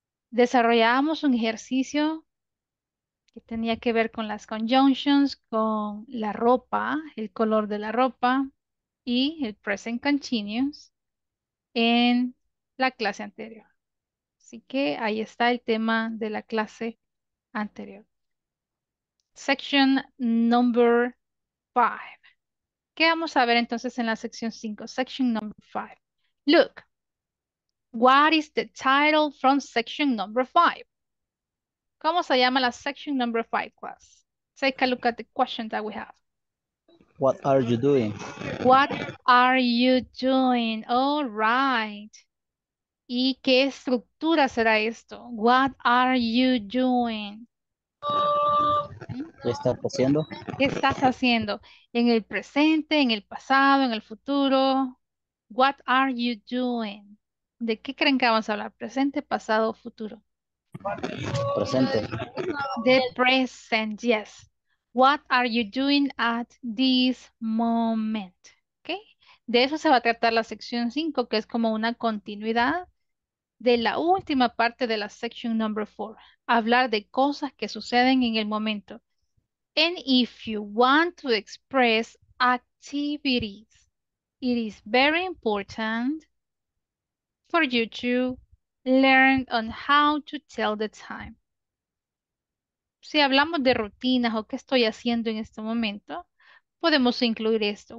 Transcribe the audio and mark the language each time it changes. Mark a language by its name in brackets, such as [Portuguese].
[Spanish] Desarrollamos un ejercicio que tenía que ver con las conjunctions, con la ropa, el color de la ropa, y el present continuous en la clase anterior. Así que ahí está el tema de la clase anterior. [English] Section number 5. [Spanish] ¿Qué vamos a ver entonces en la sección 5? [English] Section number 5. Look, what is the title from section number 5? [Spanish] ¿Cómo se llama la [English] section number 5 class? Take a look at the question that we have. What are you doing? What are you doing? All right. [Spanish] ¿Y qué estructura será esto? [English] What are you doing? [Spanish] ¿Qué estás haciendo? ¿Qué estás haciendo? En el presente, en el pasado, en el futuro. [English] What are you doing? [Spanish] ¿De qué creen que vamos a hablar? ¿Presente, pasado o futuro? Presente. [English] The present, yes. What are you doing at this moment? Okay. [Spanish] De eso se va a tratar la sección 5, que es como una continuidad de la última parte de la section number 4. Hablar de cosas que suceden en el momento. [English] And if you want to express activities, it is very important for you to learn on how to tell the time. [Spanish] Si hablamos de rutinas o qué estoy haciendo en este momento, podemos incluir esto.